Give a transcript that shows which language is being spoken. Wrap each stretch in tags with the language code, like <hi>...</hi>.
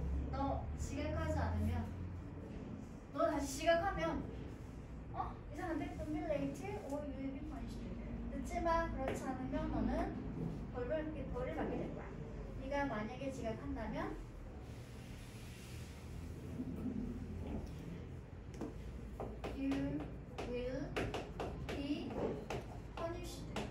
<ko>너 지각하지 않으면 너 다시 지각하면 어? 이상한데?</ko> <en>Don't be late or you'll be punished.</en> <ko>늦지만 그렇지 않으면 너는 벌을 받게 될 거야. 네가 만약에 지각한다면</ko> <en>You will be punished.</en>